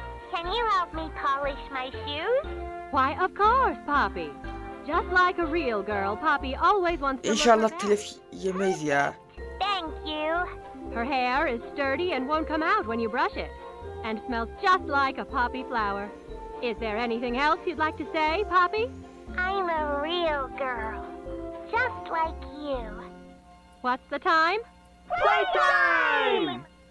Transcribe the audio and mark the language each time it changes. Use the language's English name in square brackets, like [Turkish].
[English] Can you help me polish my shoes? Why, of course, Poppy. Just like a real girl, Poppy always wants to. [Turkish] İnşallah telif yemeyiz ya. [English] Thank you. Her hair is sturdy and won't come out when you brush it and smells just like a poppy flower. Is there anything else you'd like to say, Poppy? I'm a real girl, just like you. What's the time? Playtime!